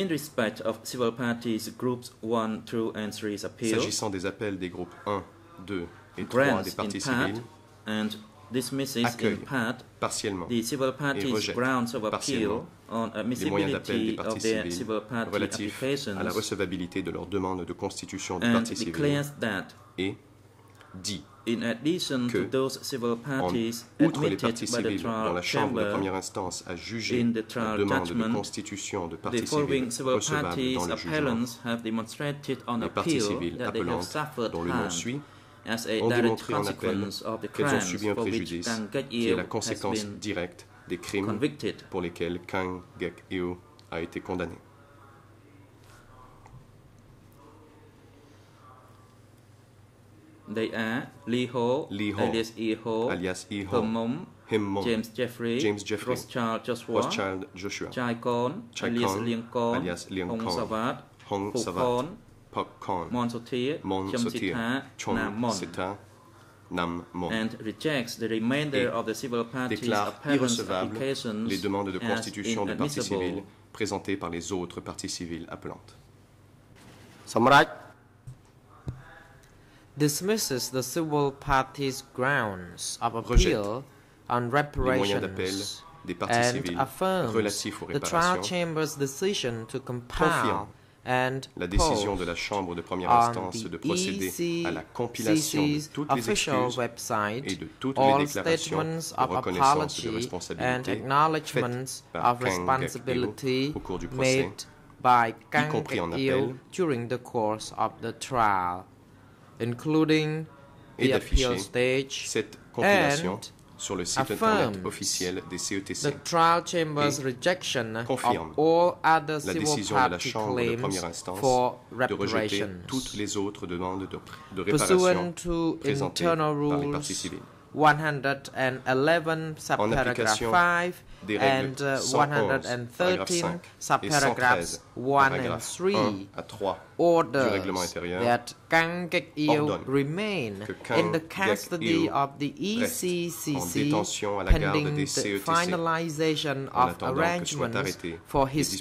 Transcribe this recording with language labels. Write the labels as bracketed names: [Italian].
[English] In respect of civil parties groups 1, 2 and 3's appeal. [French] S'agissant des appels des groupes 1, 2 et 3 des parties civiles. [English] And dismisses in part [French] partiellement [English] the civil parties grounds of appeal on admissibility of their civil party applications [French] à la recevabilité de leur demande de constitution de [English] and [French] parties [English] declares that [French] et dit [English] in addition [French] que [English] to those civil parties admitted by the trial chamber in the trial judgment, the following civil parties appellants have demonstrated on appeal that they have suffered harm as a direct consequence of the crimes for which Kaing Guek Eav has been [French] des crimes [English] convicted [French] pour lesquels Kaing Guek Eav a été condamné. [English] They are Lee Ho, [French] Lee Ho, [English] alias E. Ho, [French] alias E. Ho, [English] Himmom, [French] Himmom, [English] James Jeffrey, [French] James Jeffrey, [English] Rothschild Joshua, [French] Rothschild Joshua, [English] Chai Khon, alias Liang Khon, alias Liang Khon, Hong Savat, Hong Savat, Puk Khon, Mon Sotir, Mon Sotir, Chom Sita, Nam Mon, and rejects the remainder of the civil parties' apparent applications [French] les demandes de constitution de parties civiles présentées par les autres parties civiles appelantes. [English] Samraj. Dismisses the civil parties' grounds of appeal on reparations and affirms the trial chamber's decision to compile and [French] la décision de la chambre de première instance de procéder à la compilation de toutes les excuses [English] website, [French] et de toutes les déclarations de reconnaissance de responsabilité faites par Kaing Guek Eav au cours du procès, y compris en appel, [English] during the course of the trial, including the [French] et d'afficher [English] appeal stage, [French] cette compilation sur le site internet officiel des CETC [English] the trial chamber's [French] et [English] rejection [French] confirme [English] of all other [French] la décision de la chambre de première instance [English] for [French] de rejeter toutes les autres demandes de réparation [English] pursuant to [French] présentées [English] rules [French] par les parties civiles [English] 111 subparagraph 5 and 113 subparagraphs 1 and 3 orders that Kaing Guek Eav remain in the custody of the ECCC pending the finalization of arrangements for his